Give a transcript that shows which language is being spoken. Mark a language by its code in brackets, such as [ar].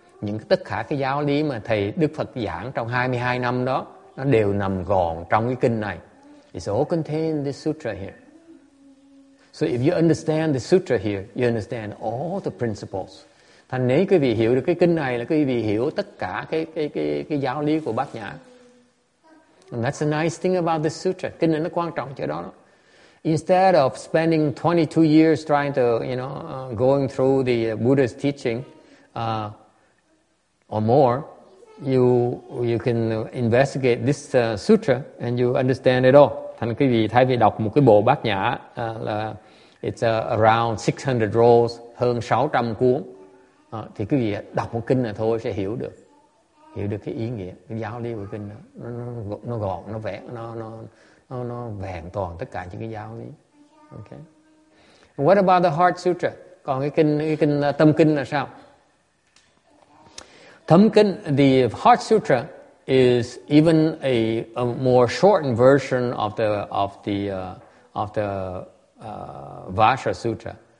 [vi] Những tất cả cái giáo lý mà thầy Đức Phật giảng trong 22 năm đó, nó đều nằm gọn trong cái kinh này. [en] It's all contained in this sutra here. So if you understand the sutra here, you understand all the principles. [vi] Thành nếu quý vị hiểu được cái kinh này là quý vị hiểu tất cả cái giáo lý của Bát Nhã. [en] And that's the nice thing about this sutra. [vi] Kinh này nó quan trọng chỗ đó. [en] Instead of spending 22 years trying to, you know, going through the Buddha's teaching or more, you can investigate this sutra and you understand it all. [vi] Thành quý vị thay vì đọc một cái bộ Bát Nhã là [en] it's around 600 rolls, [vi] hơn 600 cuốn, thì quý vị đọc một kinh này thôi sẽ hiểu được. Hiểu được cái ý nghĩa, cái giáo lý của kinh đó. Nó gọn, nó vẹn, nó vẹn toàn tất cả những cái giáo lý. Okay. [en] What about the Heart Sutra? [vi] Còn cái kinh Tâm Kinh là sao? [en] Tâm Kinh, the Heart Sutra is even a more shortened version of the Vajra Sutra.